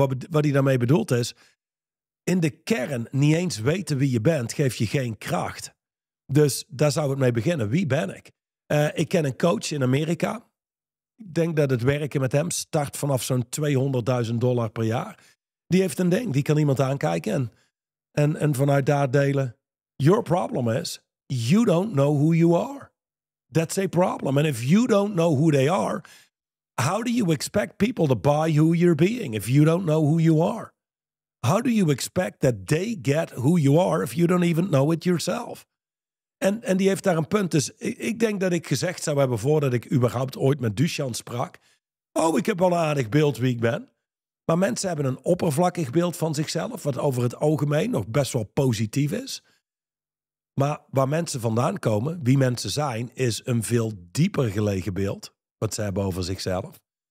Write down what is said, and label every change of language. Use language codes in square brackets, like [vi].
[nl] Wat hij daarmee bedoelt is, in de kern niet eens weten wie je bent, geeft je geen kracht. Dus daar zou het mee beginnen. Wie ben ik? Ik ken een coach in Amerika. Ik denk dat het werken met hem start vanaf zo'n $200.000 per jaar. Die heeft een ding, die kan iemand aankijken en vanuit daar delen. [en] Your problem is, you don't know who you are. That's a problem. And if you don't know who they are, how do you expect people to buy who you're being if you don't know who you are? How do you expect that they get who you are if you don't even know it yourself? [nl] En die heeft daar een punt. Dus ik denk dat ik gezegd zou hebben voordat ik überhaupt ooit met Dusan sprak. Oh, ik heb wel een aardig beeld wie ik ben. Maar mensen hebben een oppervlakkig beeld van zichzelf, wat over het algemeen nog best wel positief is. Maar waar mensen vandaan komen, wie mensen zijn, is een veel dieper gelegen beeld, wat ze hebben over zichzelf.